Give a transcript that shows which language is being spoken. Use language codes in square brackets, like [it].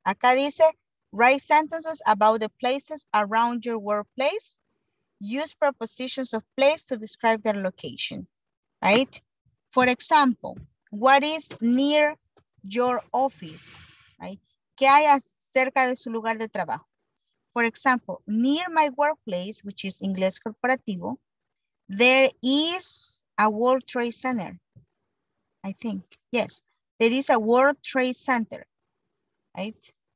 [es] Acá dice, [en] write sentences about the places around your workplace. Use prepositions of place to describe their location, right? For example, what is near your office, right? [es] ¿Qué hay cerca de su lugar de trabajo? [en] For example, near my workplace, which is inglés corporativo, there is a World Trade Center, I think. Yes, there is a World Trade Center, right?